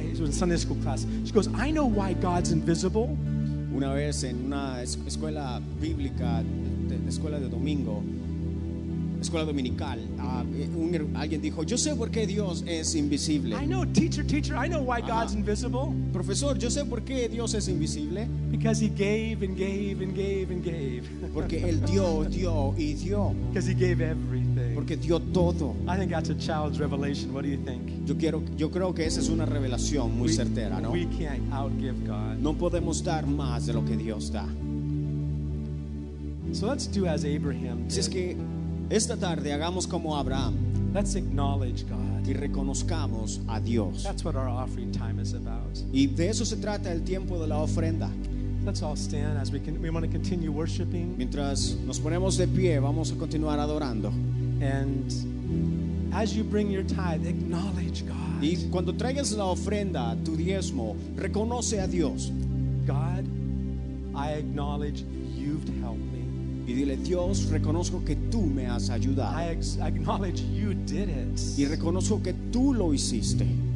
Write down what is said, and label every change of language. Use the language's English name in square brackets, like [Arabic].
[English] It was in Sunday school class. She goes, "I know why God's invisible." [Spanish] Una vez en una escuela bíblica, escuela de domingo, escuela dominical, alguien dijo, "Yo sé por qué Dios es invisible." [English] I know, teacher, I know why God's invisible. [Spanish] Profesor, yo sé por qué Dios es invisible. [English] Because he gave and gave and gave and gave. [Spanish] Porque él dio, dio y dio. [English] Because he gave everything. [Spanish] Porque dio todo. [English] I think that's a child's revelation. What do you think? [Spanish] Yo creo que esa es una revelación muy certera, ¿no? [English] We can't outgive God. [Spanish] No podemos dar más de lo que Dios da. [English] So let's do as Abraham did. [Spanish] Si es que esta tarde hagamos como Abraham. [English] Let's acknowledge God. [Spanish] Y reconozcamos a Dios. [English] That's what our offering time is about. [Spanish] Y de eso se trata el tiempo de la ofrenda. [English] Let's all stand as we want to continue worshiping. [Spanish] Mientras nos ponemos de pie, vamos a continuar adorando. [English] And as you bring your tithe, acknowledge God. [Spanish] Y cuando traigas la ofrenda, tu diezmo, reconoce a Dios. [English] God, I acknowledge you've helped me. [Spanish] Y dile, Dios, reconozco que tú me has ayudado. [English] I acknowledge you did it. [Spanish] Y reconozco que tú lo hiciste.